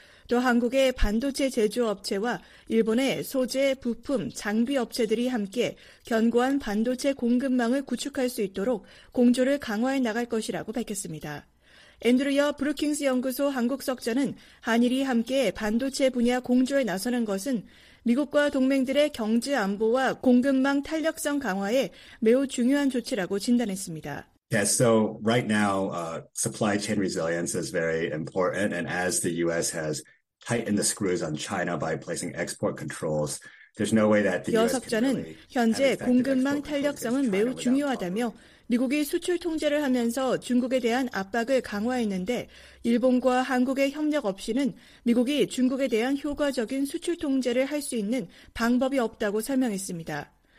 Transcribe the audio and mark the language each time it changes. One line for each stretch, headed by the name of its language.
Korean: 또 한국의 반도체 제조업체와 일본의 소재, 부품, 장비 업체들이 함께 견고한 반도체 공급망을 구축할 수 있도록 공조를 강화해 나갈 것이라고 밝혔습니다. 앤드루여 브루킹스 연구소 한국석좌는 한일이 함께 반도체 분야 공조에 나서는 것은 미국과 동맹들의 경제 안보와 공급망 탄력성 강화에 매우 중요한 조치라고 진단했습니다.
English: Yes, so right now supply chain resilience is very important and as the US has tightened the screws on China by placing export controls, there's no way that the US
Korean: 여석자는 현재 공급망 탄력성은 매우 중요하다며 미국이 수출 통제를 하면서 중국에 대한 압박을 강화했는데 일본과 한국의 협력 없이는 미국이 중국에 대한 효과적인 수출 통제를 할 수 있는 방법이 없다고 설명했습니다.